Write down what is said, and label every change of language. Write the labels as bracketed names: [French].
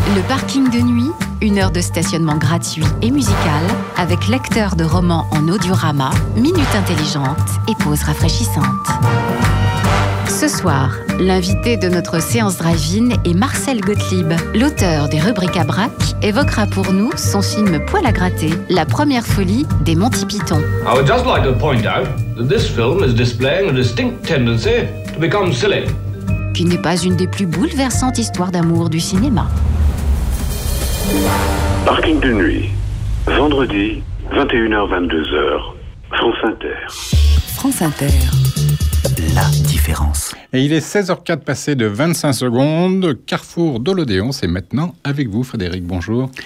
[French] Le parking de nuit, une heure de stationnement gratuit et musical, avec lecteur de romans en audiorama, minute intelligente et pause rafraîchissante. Ce soir, l'invité de notre séance drive-in est Marcel Gottlieb. L'auteur des rubriques à braque évoquera pour nous son film Poil à gratter, la première folie des Monty Python. [English] I would just like to point out that this film is displaying a distinct tendency to become silly. [French] Qui n'est pas une des plus bouleversantes histoires d'amour du cinéma. Parking de nuit, vendredi, 21h-22h, France Inter. France Inter, la différence. Et il est 16h04 passé de 25 secondes, Carrefour de l'Odéon, c'est maintenant avec vous Frédéric, bonjour.